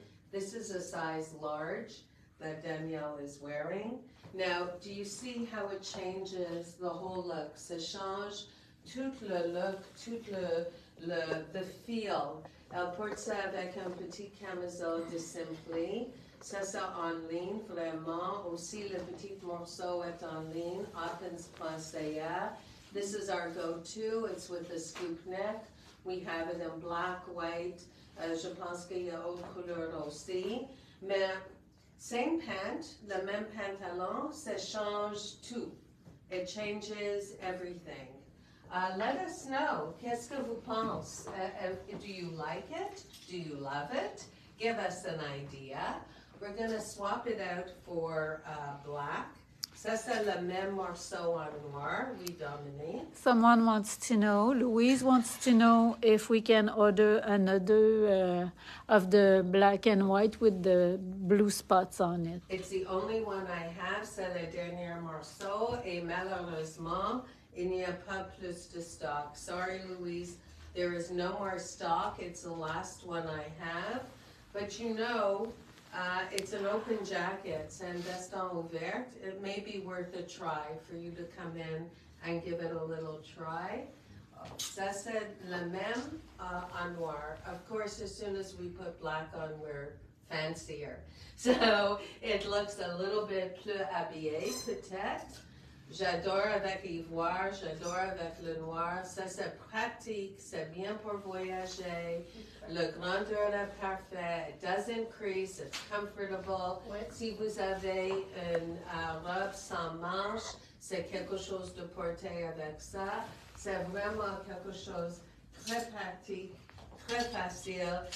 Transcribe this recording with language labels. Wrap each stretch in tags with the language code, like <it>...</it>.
<en>This is a size large that Danielle is wearing. Now, do you see how it changes the whole look?</en> <fr>Ça change tout le look, tout le feel. Elle porte ça avec un petit camisole de Simply. Ça, c'est en ligne, vraiment. Aussi, le petit morceau est en ligne, Athens.ca.</fr> <en>This is our go-to. It's with a scoop neck. We have it in black, white.</en> <fr>Je pense qu'il y a autre couleur aussi. Mais</fr> <en>same pant,</en> <fr>le même pantalon, ça change tout.</fr> <en>It changes everything. Let us know.</en> <fr>Qu'est-ce que vous pensez?</fr> <en>Do you like it? Do you love it? Give us an idea. We're going to swap it out for black.</en> <fr>Ça, c'est le même morceau en noir.</fr> <en>We dominate. Someone wants to know, Louise wants to know if we can order another of the black and white with the blue spots on it. It's the only one I have.</en> <fr>C'est le dernier morceau. Et malheureusement, il n'y a pas plus de stock.</fr> <en>Sorry, Louise. There is no more stock. It's the last one I have. But you know, it's an open jacket,</en> <fr>c'est un veston ouvert.</fr> <en>It may be worth a try for you to come in and give it a little try.</en> <fr>Ça, c'est le même en noir.</fr> <en>Of course, as soon as we put black on, we're fancier. So it looks a little bit</en> <fr>plus habillé, peut-être. J'adore avec ivoire, j'adore avec le noir. Ça, c'est pratique, c'est bien pour voyager. Le grandeur est parfait, it does increase, it's comfortable. Ouais. Si vous avez une robe sans manche, c'est quelque chose de porter avec ça. C'est vraiment quelque chose très pratique, très facile.</fr>